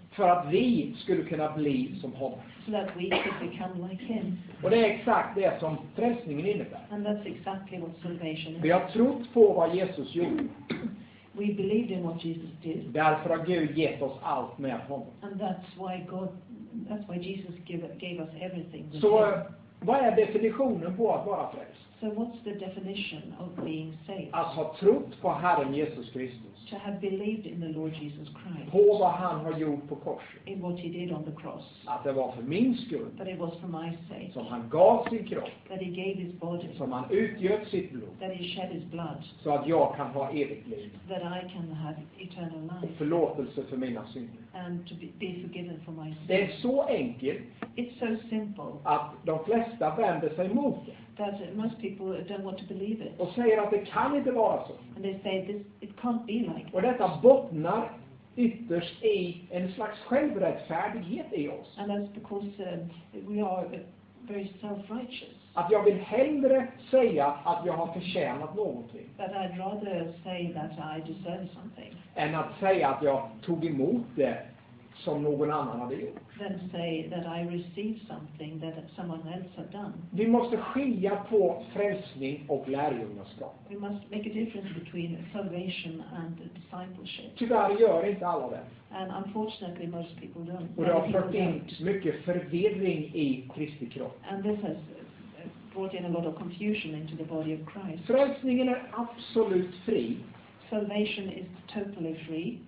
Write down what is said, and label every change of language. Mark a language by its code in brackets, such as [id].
[sv] För att vi skulle kunna bli som honom. [en] So that we could become like him. [sv] Och det är exakt det som frälsningen innebär. [en] And that's exactly what salvation is. [sv] Vi har trott på vad Jesus gjorde. [en] We believed in what Jesus did. [sv] Därför har Gud gett oss allt med honom. [en] And that's why God, that's why Jesus gave us everything. [sv] Så vad är definitionen på att vara frälst? [en] So what's the definition of being saved? [sv] Att ha trott på Herren Jesus Kristus. [en] To have believed in the Lord Jesus Christ. [sv] På vad han har gjort på korset. [en] In what he did on the cross. [sv] Att det var för min skull. [en] That it was for my sake. [sv] Som han gav sin kropp. [en] That he gave his body. [sv] Som han utgöt sitt blod. [en] That he shed his blood. [sv] Så att jag kan ha evigt liv. [en] That I can have eternal life. [sv] Och förlåtelse för mina synder. [en] And to be forgiven for my sins. [sv] Det är så enkelt. [en] It's so simple. [sv] Att de flesta vänder sig mot det. [en] That most people don't want to believe it. [sv] Och säger att det kan inte vara så. [en] And they say this, it can't be like that. [sv] Och detta bottnar ytterst i en slags självrättfärdighet i oss. [en] And that's because we are very self-righteous. [sv] Att jag vill hellre säga att jag har förtjänat någonting. [en] That I'd rather say that I deserve something. [sv] Än att säga att jag tog emot det som någon annan hade gjort. [en] Then say that I received something that someone else had done. [sv] Vi måste skilja på frälsning och lärjungaskap. [en] We must make a difference between salvation and discipleship. [sv] Tyvärr gör inte alla det. [en] And unfortunately most people don't. [sv] Och det har fört in mycket förvirring i Kristi kropp. [en] And this has brought in a lot of confusion into the body of Christ. [sv] Frälsningen är absolut fri. [en] Salvation is totally free.